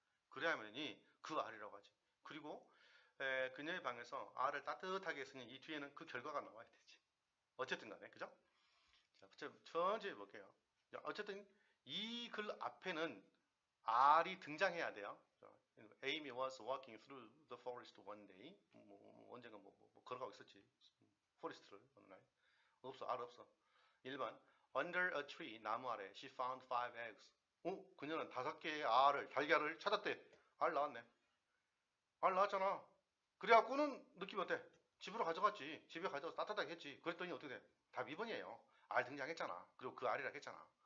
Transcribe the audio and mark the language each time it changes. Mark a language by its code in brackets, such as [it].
[ko] 그래야만이 그 알이라고 하지. 그리고 그녀의 방에서 알을 따뜻하게 했으니 이 뒤에는 그 결과가 나와야 되지. 어쨌든 간에, 그죠? 자, 천천히 볼게요. 어쨌든 이글 앞에는 알이 등장해야 돼요. [en] Amy was walking through the forest one day. [ko] 언젠가 걸어가고 있었지. 포레스트를 어느 날. 없어, 알 없어. 1번. [en] Under a tree, [ko] 나무 아래, [en] she found five eggs. [ko] 어? 그녀는 5개의 알을, 달걀을 찾았대. 알 나왔네. 알 나왔잖아. 그래갖고는 느낌이 어때? 집으로 가져갔지. 집에 가져와서 따뜻하게 했지. 그랬더니 어떻게 돼? 답 2번이에요. 알 등장했잖아. 그리고 그 알이라고 했잖아.